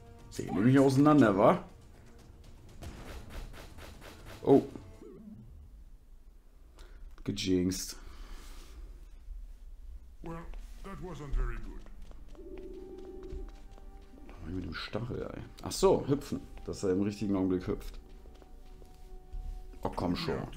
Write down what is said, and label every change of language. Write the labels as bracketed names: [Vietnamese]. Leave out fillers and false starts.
[German] Sehen wir mich auseinander, wa? Oh. Gejinxed. [English] Well, that wasn't very good. [German] Mit dem Stachel, ey. Ach so, hüpfen. Dass er im richtigen Augenblick hüpft. Oh, komm schon.